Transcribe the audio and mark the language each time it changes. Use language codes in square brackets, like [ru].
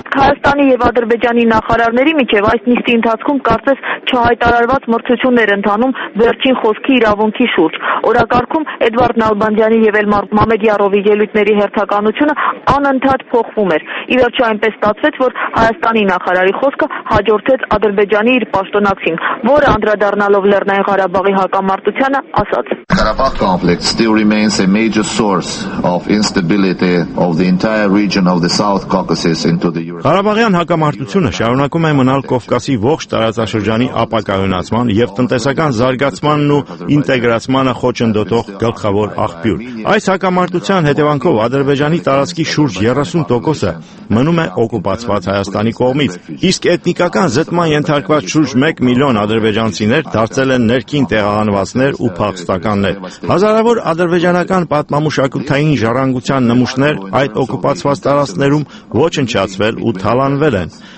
[hy] Հայաստանի և Ադրբեջանի նախարարների միջև այս նիստի ընթացքում կարծես չհայտարարված մրցություններ ընթանում վերջին խոսքի իրավունքի շուրջ։ Օրակարգում Էդվարդ Նալբանդյանի և Էլմար Մամեդյարովի ելույթների հերթականությունը անընդհատ փոխվում էր։ Ի վերջո այնպես ստացվեց, որ Հայաստանի նախարարի խոսքը հաջորդեց Ադրբեջանի իր պաշտոնակցին, որը անդրադառնալով Լեռնային Ղարաբաղի հակամարտությանը ասաց. [en] Karabakh conflict still remains a major source of instability of the entire region of the South Caucasus into the European. [hy] Ղարաբաղյան հակամարտությունը շարունակում է մնալ Կովկասի ողջ տարածաշրջանի ապակայունացման եւ տնտեսական զարգացմանն ու ինտեգրացմանը խոչընդոտող գլխավոր աղբյուր։ Այս հակամարտության հետևանքով Ադրբեջանի տարածքի շուրջ 30%-ը մնում է օկուպացված Հայաստանի կողմից, իսկ էթնիկական զտման ենթարկված շուրջ 1 միլիոն ադրբեջանցիներ դարձել են ներքին տեղահանվածներ ու փախստական։ Հազարավոր ադրբեջանական պատմամշակութային ժառանգության նմուշներ այդ օկուպացված տարածքներում ոչնչացվել ու թալանվել են։